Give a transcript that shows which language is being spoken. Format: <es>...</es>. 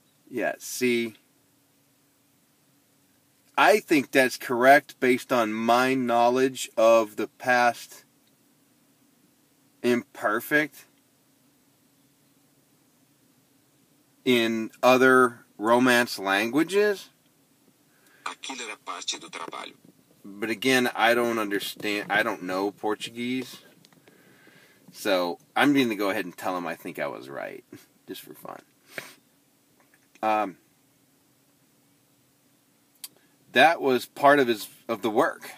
<en>Yeah, see, I think that's correct based on my knowledge of the past imperfect in other Romance languages?</en> <pt>Aquilo era parte do trabalho.</pt> <en>But again, I don't understand, I don't know Portuguese. So, I'm going to go ahead and tell him I think I was right. Just for fun. That was part of the work.</en>